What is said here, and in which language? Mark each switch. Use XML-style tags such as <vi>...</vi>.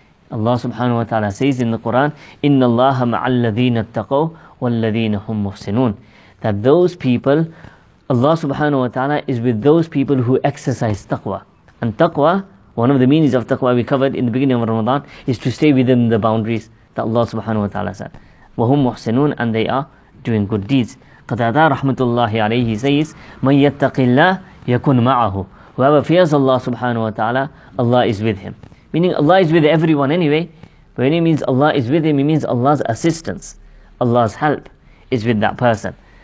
<en>Allah subhanahu wa ta'ala says in the Quran,</en> <ar>إِنَّ اللَّهَ مَعَ الَّذِينَ اتَّقَوْا وَالَّذِينَ هُمْ مُحْسِنُونَ.</ar> <en>That those people, Allah subhanahu wa ta'ala is with those people who exercise taqwa. And taqwa, one of the meanings of taqwa we covered in the beginning of Ramadan, is to stay within the boundaries that Allah subhanahu wa ta'ala said.</en> <ar>وَهُمْ مُحْسِنُونَ.</ar> <en>And they are doing good deeds. Qatada rahmatullahi alayhi says,</en> <ar>مَنْ يَتَّقِ اللَّهِ يَكُنْ مَعَهُ.</ar> <en>Whoever fears Allah subhanahu wa ta'ala, Allah is with him. Meaning Allah is with everyone anyway. When it means Allah is with him, it means Allah's assistance, Allah's help is with that person.</en>